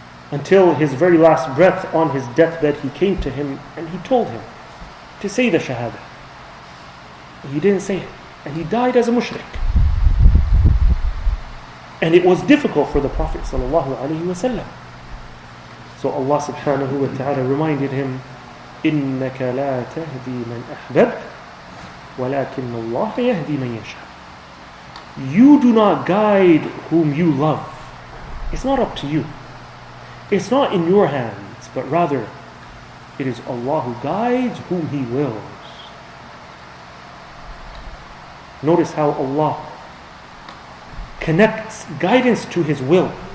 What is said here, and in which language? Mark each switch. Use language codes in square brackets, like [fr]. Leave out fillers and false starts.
[en] Until his very last breath on his deathbed, he came to him and he told him to say the shahada. He didn't say it. And he died as a mushrik. And it was difficult for the Prophet sallallahu alaihi wasallam. So Allah subhanahu wa ta'ala reminded him, [ar] إِنَّكَ لَا تَهْدِي مَنْ أَحْبَبْتَ وَلَكِنَّ اللَّهَ يَهْدِي مَنْ يَشَاءُ. [en] You do not guide whom you love. It's not up to you. It's not in your hands, but rather, it is Allah who guides whom He wills. Notice how Allah connects guidance to His will.